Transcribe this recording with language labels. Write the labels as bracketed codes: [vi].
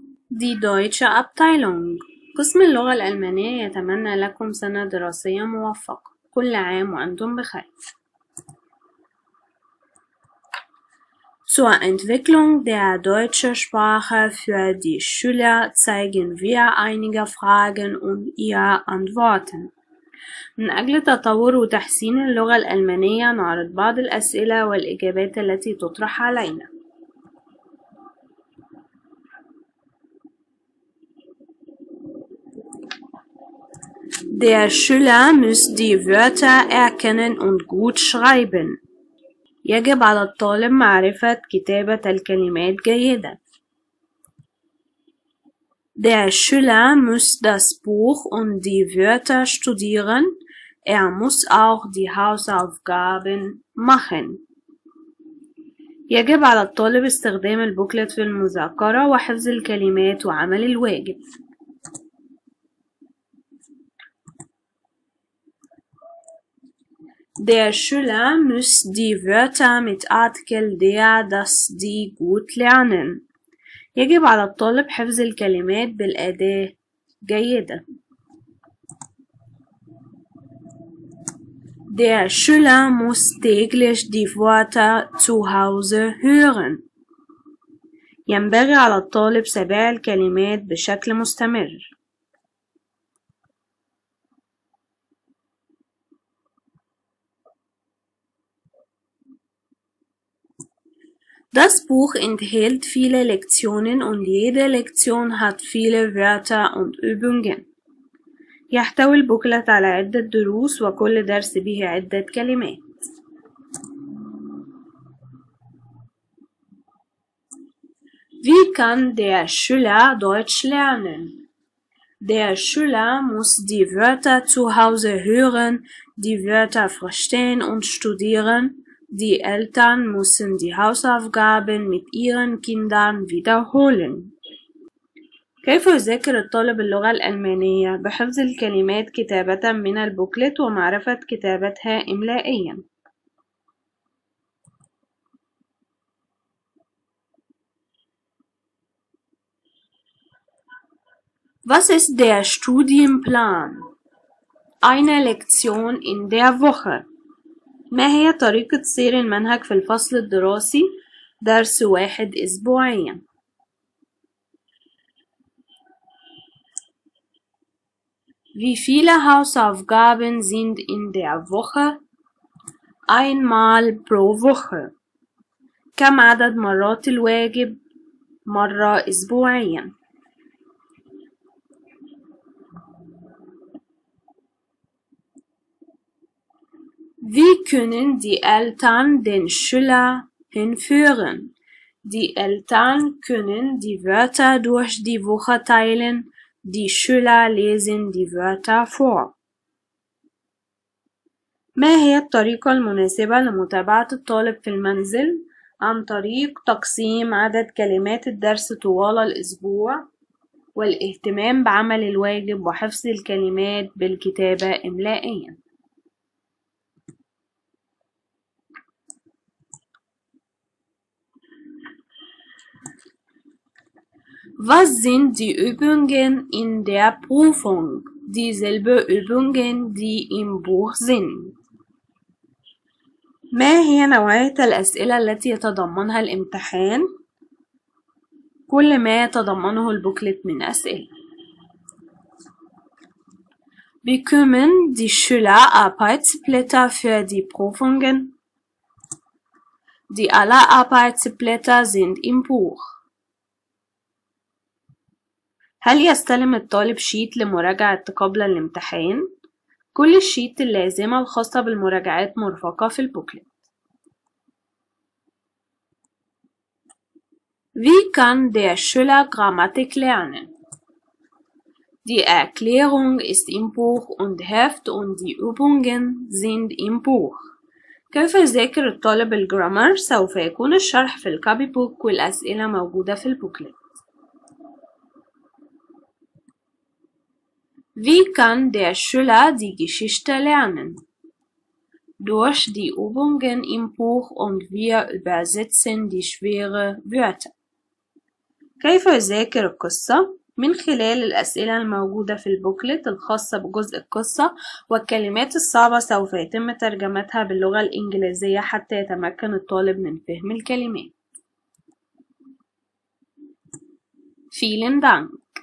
[ar] دي دويتشة أبتايلونج قسم اللغة الألمانية يتمنى لكم سنة دراسية موفقة، كل عام وأنتم بخير. [de] Zur Entwicklung der deutschen Sprache für die Schüler zeigen wir einige Fragen und ihre Antworten. [ar] من أجل تطور وتحسين اللغة الألمانية نعرض بعض الأسئلة والإجابات التي تطرح علينا. [de] Der Schüler muss die Wörter erkennen und gut schreiben. [ar] يجب على الطالب معرفة كتابة الكلمات جيدا. [de] Der Schüler muss das Buch und die Wörter studieren. Er muss auch die Hausaufgaben machen. [ar] يجب على الطالب استخدام البوكلت في المذاكرة وحفظ الكلمات وعمل الواجب. [de] Der Schüler muss die Wörter mit Artikel der, das, die gut lernen. [ar] يجب على الطالب حفظ الكلمات بالأداة جيدة. [de] Der Schüler muss täglich die Wörter zu Hause hören. [ar] ينبغي على الطالب سماع الكلمات بشكل مستمر. [de] Das Buch enthält viele Lektionen und jede Lektion hat viele Wörter und Übungen. [ar] يحتوي البوكلت على عدة دروس وكل درس به عدة كلمات. [de] Wie kann der Schüler Deutsch lernen? Der Schüler muss die Wörter zu Hause hören, die Wörter verstehen und studieren. Die Eltern müssen die Hausaufgaben mit ihren Kindern wiederholen. [ar] كيف يذاكر الطالب اللغة الألمانية؟ بحفظ الكلمات كتابة من البوكلت ومعرفة كتابتها إملائيا. [de] Was ist der Studienplan? Eine Lektion in der Woche. [ar] ما هي طريقة سير المنهج في الفصل الدراسي؟ درس واحد أسبوعيا. [de] Wie viele Hausaufgaben sind in der Woche? Einmal pro Woche. [ar] كم عدد مرات الواجب؟ مرة أسبوعيا. [de] Wie können die Eltern den Schüler hinführen? Die Eltern können die Wörter durch die Woche teilen. Die Schüler lesen die Wörter vor. [ar] ما هي الطريقة المناسبة لمتابعة الطالب في المنزل؟ عن طريق تقسيم عدد كلمات الدرس طوال الأسبوع والاهتمام بعمل الواجب وحفظ الكلمات بالكتابة إملائيا. [de] Was sind die Übungen in der Prüfung? Dieselbe Übungen, die im Buch sind. [ar] ما هي نوعية الأسئلة التي يتضمنها الامتحان؟ كل ما يتضمنه البوكلت من أسئلة. [de] Bekommen die Schüler Arbeitsblätter für die Prüfungen? Die alle Arbeitsblätter sind im Buch. [ar] هل يستلم الطالب شيت لمراجعة قبل الامتحان؟ كل الشيت اللازمة الخاصة بالمراجعات مرفقة في البوكلت. [de] Wie kann der Schüler Grammatik lernen? Die Erklärung ist im Buch und Heft und die Übungen sind im Buch. [ar] كيف يذاكر الطالب الجرامر؟ سوف يكون الشرح في الكابي بوك والأسئلة موجودة في البوكلت. [de] Wie kann der Schüler die Geschichte lernen? Durch die Übungen im Buch und wir übersetzen die schweren Wörter. [ar] كيف أذاكر القصة؟ من خلال الأسئلة الموجودة في البوكلت الخاصة بجزء القصة والكلمات الصعبة سوف يتم ترجمتها باللغة الإنجليزية حتى يتمكن الطالب من فهم الكلمات. [de] Vielen Dank.